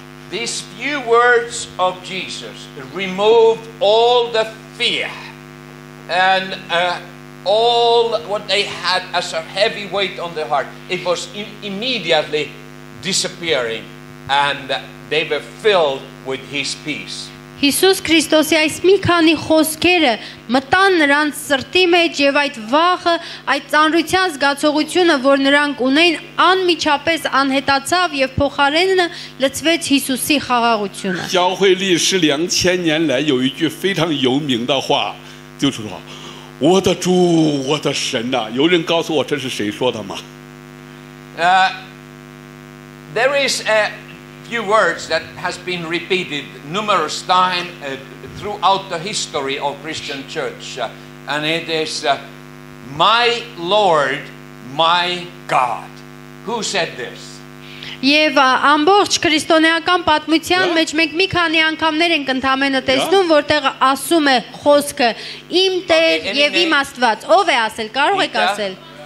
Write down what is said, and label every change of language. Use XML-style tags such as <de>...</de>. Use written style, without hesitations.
<en>These few words of Jesus removed all the fear and all what they had as a heavy weight on their heart. It was immediately disappearing and they were filled with his peace.</en> <hy>Հիսուս Քրիստոսի այս մի քանի խոսքերը մտան նրանց սրտի մեջ եւ այդ վախը, այդ ծանրության զգացողությունը, որ նրանք ունեն, անմիջապես անհետացավ եւ փոխարենը լցվեց Հիսուսի խաղաղությունը։</hy> <zh>Յաղուելիշի 2000 年來有一句非常有名的話,就是說:我的主,我的神啊,有人告訴我這是誰說的嗎?</zh> <en>there is a few words that has been repeated numerous times throughout the history of Christian church, and it is my Lord, my God. Who said this?</en> <hy>Եվ ամբողջ քրիստոնեական պատմության մեջ մենք մի քանի անգամներ ենք ընդամենը տեսնում, որտեղ ասում է խոսքը իմ Տեր եւ իմ Աստված, ով է ասել, կարող եք ասել։</hy>